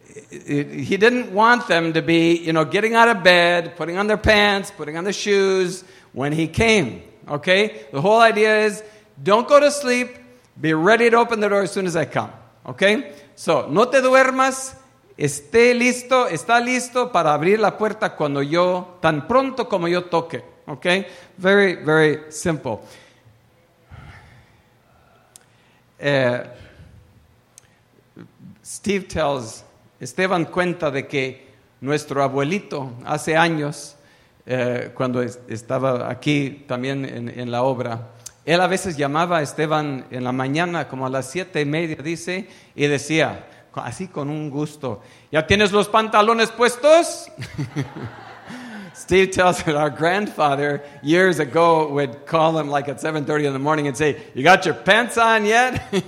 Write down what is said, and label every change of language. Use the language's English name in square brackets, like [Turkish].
[English] He didn't want them to be, you know, getting out of bed, putting on their pants, putting on their shoes when he came. Okay? The whole idea is don't go to sleep. Be ready to open the door as soon as I come. Okay? So, [Spanish] no te duermas. Esté listo, está listo para abrir la puerta cuando yo, tan pronto como yo toque. Okay? [English] Very, very simple. Steve tells, [Spanish] Esteban cuenta de que nuestro abuelito hace años, cuando estaba aquí también en la obra, él a veces llamaba a Esteban en la mañana, como a las 7:30, dice, y decía, así con un gusto, ¿ya tienes los pantalones puestos? [English] Steve tells that our grandfather years ago would call him like at 7:30 in the morning and say, "You got your pants on yet?"